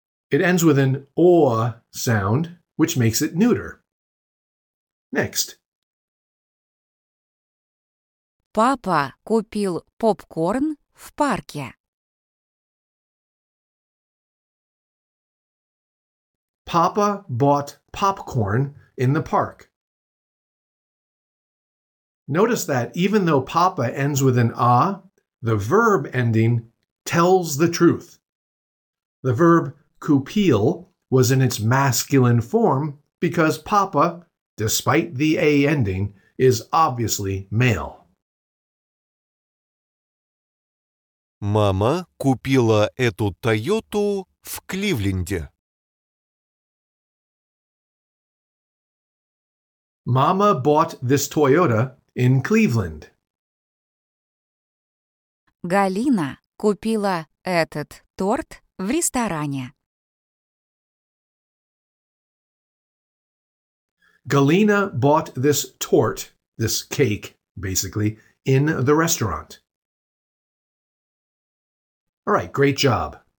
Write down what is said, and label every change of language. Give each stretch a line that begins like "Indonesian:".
English: It ends with an о sound, which makes it neuter. Next.
Russian: Папа купил попкорн в парке.
English: Papa bought popcorn in the park. Notice that even though papa ends with an а, the verb ending tells the truth. The verb купил was in its masculine form because папа, despite the A ending, is obviously male.
Russian: Мама купила эту Тойоту в Кливленде.
English: Mama bought this Toyota in Cleveland.
Russian: Галина купила этот торт в ресторане.
English: Galina bought this tort, this cake, basically, in the restaurant. All right, great job.